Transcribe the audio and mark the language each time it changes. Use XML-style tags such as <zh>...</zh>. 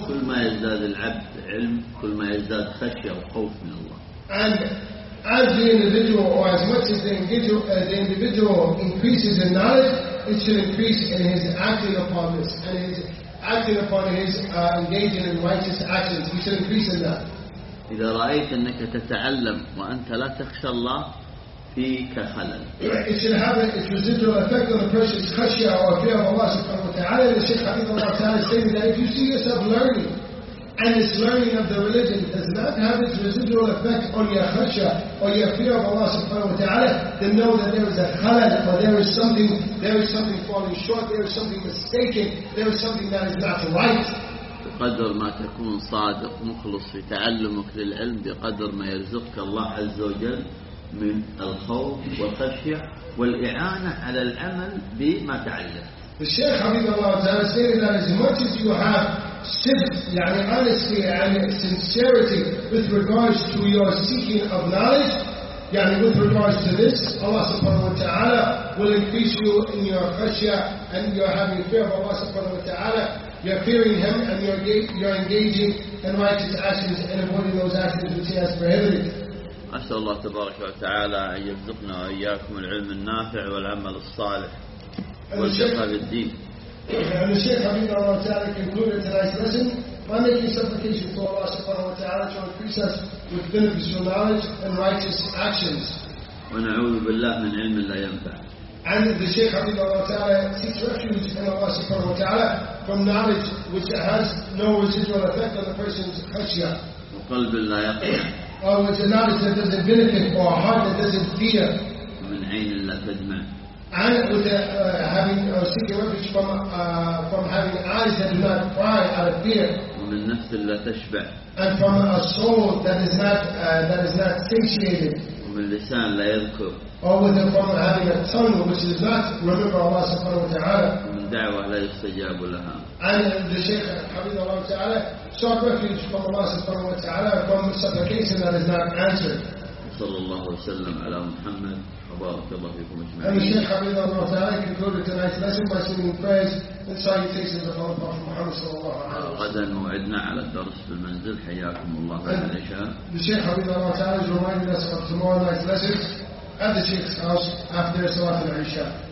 <ar>كل ما يزداد العبد علم كل ما يزداد خشية وخوف من الله.</ar> <en>And as the individual or as much as the individual increases in knowledge, it should increase in his acting upon this and his acting upon his engaging in righteous actions. He should increase in that.</en> <ar>إذا رأيت أنك تتعلم وأنت لا تخشى الله فيك خلل.</ar> <en>It should have its residual effect on the person's خشية or fear of Allah subhanahu wa ta'ala. The Shaykh Hafidhullah Ta'ala is saying that if you see yourself learning and this learning of the religion does not have its residual effect on your خشية or your fear of Allah subhanahu wa ta'ala, then know that there is a خلل, or there is something falling short, there is something mistaken, there is something that is not right.</en> <ar>بقدر ما تكون صادق مخلص في تعلمك للعلم بقدر ما يرزقك الله عز وجل من الخوف والخشية والإعانة على العمل بما تعلم. الشيخ حبيب الله تعالى</ar> <en>said that as much as you have</en> <ar>يعني</ar> <en>honesty and sincerity with regards to your seeking of knowledge, يعني with regards to this, Allah subhanahu wa ta'ala will increase you in your khashya, and you're having fear of Allah subhanahu wa ta'ala, you're fearing Him, and you're engaging in righteous actions and avoiding those actions which He has prohibited.</en> <ar>أسأل الله تبارك وتعالى أن يرزقنا وإياكم العلم النافع والعمل الصالح والفقه بالدين.</ar> <en>And the Shaykh Habib Allah Ta'ala concluded tonight's lesson by making supplication for Allah subhanahu wa ta'ala to increase us with beneficial knowledge and righteous actions.</en> <ar>ونعوذ بالله من علم لا ينفع.</ar> <en>And the Shaykh Habib Allah Ta'ala seeks refuge in Allah subhanahu wa ta'ala from knowledge which has no residual effect on the person's khashya.</en> <ar>وقلب لا يقبل.</ar> <en>Or with the knowledge that doesn't benefit, or a heart that doesn't fear.</en> <ar>ومن عين لا تدمع.</ar> <en>And with having or seeking refuge from having eyes that do not cry out of fear.</en> <ar>ومن نفس لا تشبع.</ar> <en>And from a soul that is not satiated.</en> <ar>ومن لسان لا يذكر.</ar> <en>Or with from having a tongue which does not remember Allah subhanahu wa ta'ala.</en> <ar>ومن دعوة لا يستجاب لها.</ar> <en>And the Shaykh Habib Allah ta'ala sought refuge from Allah subhanahu wa ta'ala from supplication that is not answered.</en> <ar>صلى الله وسلم على محمد وبارك الله فيكم اجمعين.</ar> <en>And Shaykh Habib Allah ta'ala concluded tonight's lesson by singing praise and salutations of Allah Prophet Muhammad</en> <ar>صلى الله عليه وسلم. غدا موعدنا على الدرس في المنزل حياكم الله على العشاء.</ar> <en>The Shaykh Habib Allah ta'ala is reminding us of tomorrow night's lessons at the Shaykh's house after Salat al-Isha.</en>